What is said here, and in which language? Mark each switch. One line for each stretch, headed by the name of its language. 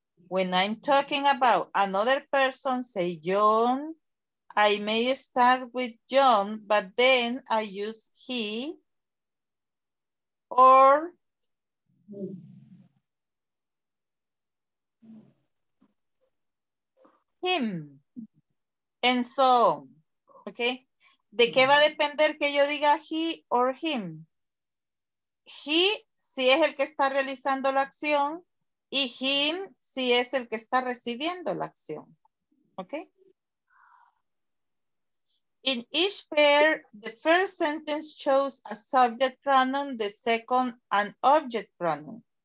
English: When I'm talking about another person, say John, I may start with John, but then I use he, or him, and so
Spanish: ¿Ok? ¿De qué va a depender que yo diga he or him? He, si es el que está realizando la acción, y him, si es el que está recibiendo la acción. ¿Ok?
English: In each pair, the first sentence shows a subject pronoun, the second an object pronoun.